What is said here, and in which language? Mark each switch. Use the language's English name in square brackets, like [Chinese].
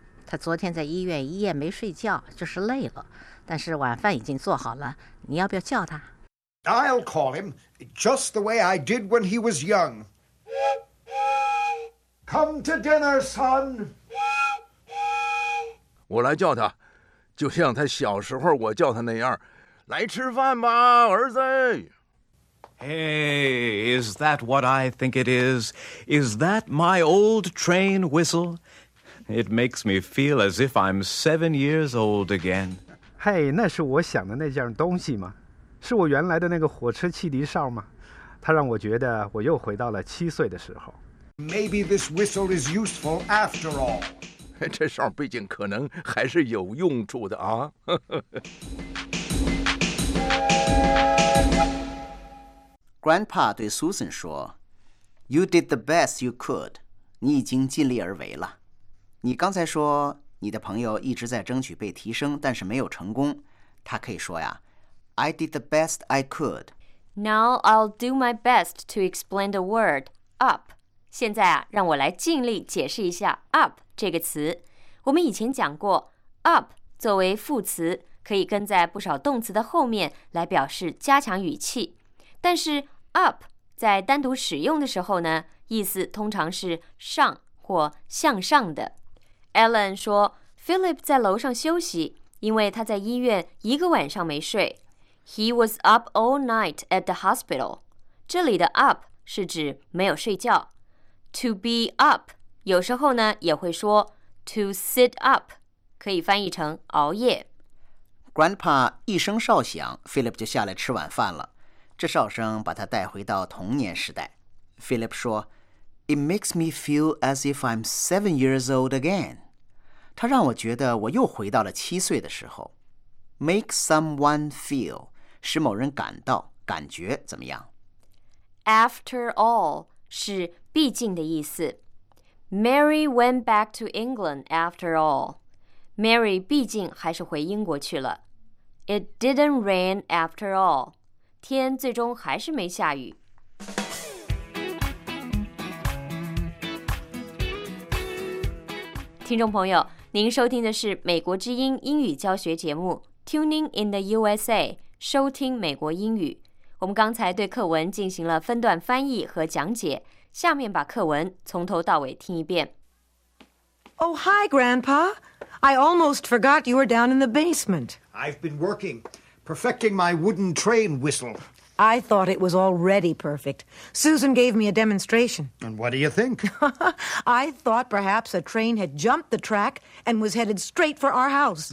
[Chinese] 他昨天在医院一夜没睡觉，就是累了。但是晚饭已经做好了，你要不要叫他？ [English] I'll call him, just the way I did when he was young. Come to dinner, son. [Chinese] 我来叫他，就像他小时候我叫他那样，来吃饭吧，儿子。 [English] Hey, is that what I think it is? Is that my old train whistle? It makes me feel as if I'm 7 years old again. [Chinese] Hey, 那是我想的那件东西吗？是我原来的那个火车汽笛哨吗？它让我觉得我又回到了7岁的时候。 [English] Maybe this whistle is useful after all. [Chinese] 这哨毕竟可能还是有用处的啊。 [English] Grandpa [Chinese] 对 [English] Susan [Chinese] 说 [English] You did the best you could. [Chinese] 你已经尽力而为了。你刚才说你的朋友一直在争取被提升，但是没有成功。他可以说呀 [English] I did the best I could. Now I'll do my best to explain the word up. [Chinese] 现在啊，让我来尽力解释一下 up 这个词。我们以前讲过 up 作为副词可以跟在不少动词的后面来表示加强语气，但是 up 在单独使用的时候呢，意思通常是上或向上的。 Ellen 说 Philip 在楼上休息，因为他在医院一个晚上没睡。 [English] He was up all night at the hospital. [Chinese] 这里的 up 是指没有睡觉。 [English] To be up, [Chinese] 有时候呢也会说 [English] to sit up, [Chinese] 可以翻译成熬夜。 Grandpa 一声哨响， Philip 就下来吃晚饭了。这哨声把他带回到童年时代。 [English] Philip [Chinese] 说 [English] It makes me feel as if I'm 7 years old again. [Chinese] 他让我觉得我又回到了7岁的时候。 [English] Make someone feel, [Chinese] 使某人感到，感觉怎么样。 After all,是毕竟的意思。 [English] Mary went back to England after all. [Chinese] Mary 毕竟还是回英国去了。 [English] It didn't rain after all. [Chinese] 天最终还是没下雨。听众朋友，您收听的是美国之音英语教学节目 Tuning in the USA， 收听美国英语。我们刚才对课文进行了分段翻译和讲解，下面把课文从头到尾听一遍。 [English] Oh, hi, Grandpa. I almost forgot you were down in the basement. I've been working, perfecting my wooden train whistle. I thought it was already perfect. Susan gave me a demonstration. And what do you think? I thought perhaps a train had jumped the track and was headed straight for our house.